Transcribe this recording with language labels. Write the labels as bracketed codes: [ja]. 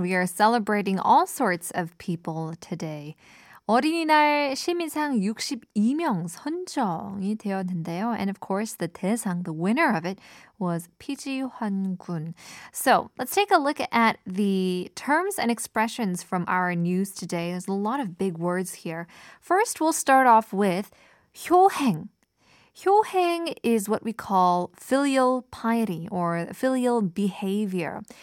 [en] We are celebrating all sorts of people today. [ko] 어린이날 시민상 62명 선정이 되었는데요. [en] And of course, the 대상, the winner of it, was 피지환 군. So, let's take a look at the terms and expressions from our news today. There's a lot of big words here. First, we'll start off with 효행. 효행 is what we call filial piety or filial behavior.